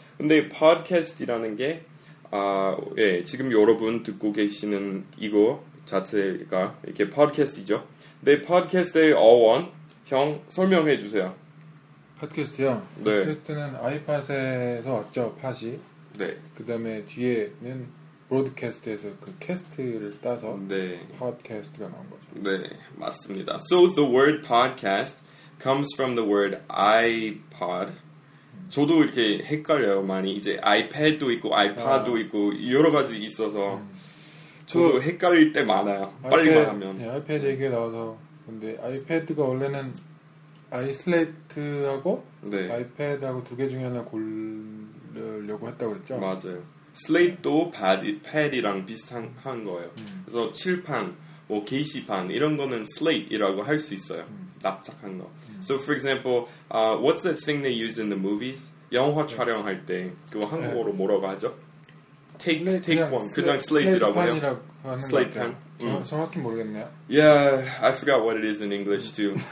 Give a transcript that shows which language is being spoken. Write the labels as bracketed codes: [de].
[ko] 근데 팟캐스트라는 게 아, 예, 지금 여러분 듣고 계시는 이거 자체가 이렇게 팟캐스트죠. 근데 팟캐스트의 어원 형 설명해 주세요. 팟캐스트요? 네. 팟캐스트는 아이팟에서 왔죠. 팟이. 네. 그 다음에 뒤에는 브로드캐스트에서 그 캐스트를 따서 네. 팟캐스트가 나온 거죠. 네. 맞습니다. [en] So the word podcast comes from the word iPod. [ko] 저도 이렇게 헷갈려요. 많이 이제 아이패드도 있고 아이팟도 아. 있고 여러 가지 있어서 저도 그, 헷갈릴 때 많아요. 빨리 아이패드, 말하면. 네. 아이패드 얘기가 나와서 근데 아이패드가 원래는 아이슬레이트하고 네. 아이패드하고 두 개 중에 하나 고르려고 했다고 그랬죠? 맞아요. 슬레이트도 패드랑 비슷한 거예요. 그래서 칠판, 뭐 게시판 이런 거는 슬레이트라고 할 수 있어요. 납작한 거. [en] So for example, what's the thing they use in the movies? [ko] 영화 네. 촬영할 때 그거 한국어로 네. 뭐라고 하죠? [en] Take [ko] 그냥 one. 그냥 슬레이트라고 해요. 슬레이트판. 정확히 모르겠네요. [en] Yeah, I forgot what it is in English too.